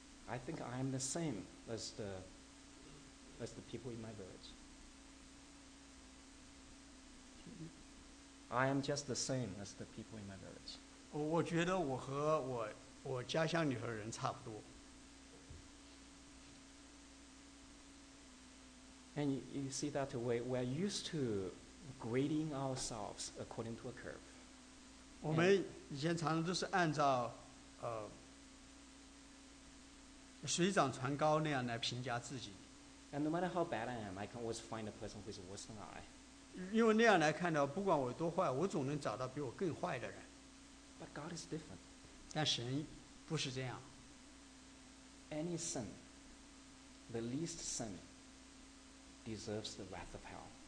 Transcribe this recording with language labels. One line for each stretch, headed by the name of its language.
English: I think I am the same as the people in my village. I am just the same as the people in my village.
Chinese: 我觉得我和我家乡里头人差不多。
English: And you see that we're used to grading ourselves according to a curve.
Chinese: 我们以前常常都是按照水涨船高那样来评价自己。
English: And no matter how bad I am, I can always find a person who is worse than I.
Chinese: 因为那样来看到，不管我多坏，我总能找到比我更坏的人。
English: But God is different.
Chinese: 但神不是这样。
English: Any sin, the least sin, deserves the wrath of hell.